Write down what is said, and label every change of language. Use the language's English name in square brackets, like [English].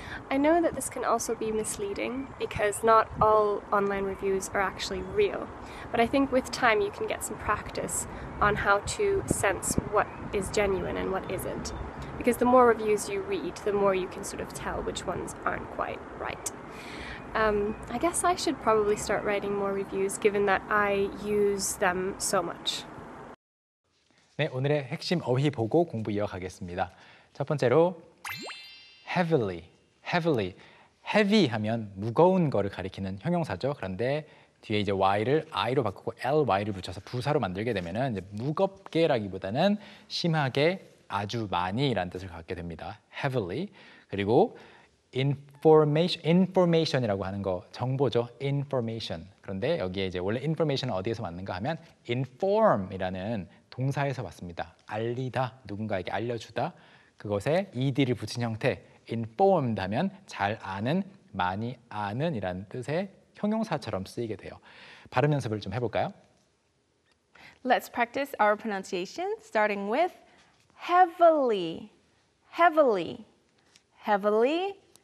[English] I know that this can also be misleading because not all online reviews are actually real, but I think with time you can get some practice on how to sense what is genuine and what isn't. Because the more reviews you read, the more you can sort of tell which ones aren't quite right. I guess I should probably start writing more reviews, given that I use them so much. [Korean] 네, 오늘의 핵심 어휘 보고 공부 이어가겠습니다. 첫 번째로 heavily, heavily, heavy 하면 무거운 거를 가리키는 형용사죠. 그런데 뒤에 이제 y를 i로 바꾸고 ly를 붙여서 부사로 만들게 되면은 이제 무겁게라기보다는 심하게, 아주 많이라는 뜻을 갖게 됩니다. heavily. 그리고 information이라고 하는 거 정보죠. information. 그런데 여기에 이제 원래 information은 어디에서 왔는가 하면 inform이라는 동사에서 왔습니다. 알리다, 누군가에게 알려주다. 그것에 ed를 붙인 형태 informed 하면 잘 아는, 많이 아는이라는 뜻의 형용사처럼 쓰이게 돼요. 발음 연습을 좀 해볼까요? [English] Let's practice our pronunciation starting with heavily, heavily, heavily.